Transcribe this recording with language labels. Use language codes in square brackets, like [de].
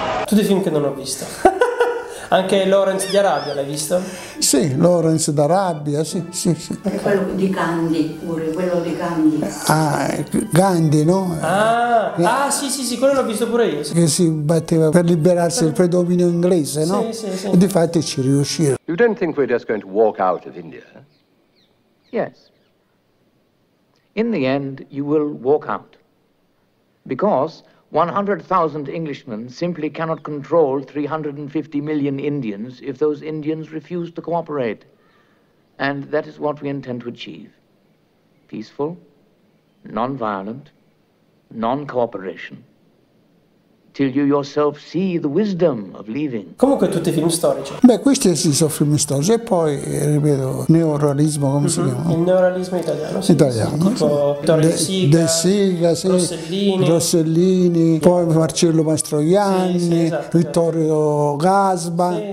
[it] Tutti i film che non ho visto. Anche Lawrence d'Arabia l'hai visto? Sì, Lawrence d'Arabia, sì, sì, sì. E quello di Gandhi pure, quello di Gandhi. Ah, Gandhi, no? Ah, ah sì, sì, sì, quello l'ho visto pure io. Che si batteva per liberarsi del predominio inglese, no? Sì, sì, sì. E difatti ci riuscì. [en] You don't think we're just going to walk out of India? Yes. In the end, you will walk out. Because 100,000 Englishmen simply cannot control 350 million Indians if those Indians refuse to cooperate. And that is what we intend to achieve. Peaceful, non-violent, non-cooperation. Till you yourself see the wisdom of leaving. [it] Comunque tutti film storici. Beh, questi sì, sono film storici. E poi, ripeto, neorealismo, come si chiama? Il neorealismo italiano. Sì, italiano. Sì, tipo De Sica, sì. Rossellini. Yeah. Poi Marcello Mastroianni. Sì, sì, esatto. Vittorio Gasba. Sì, sì,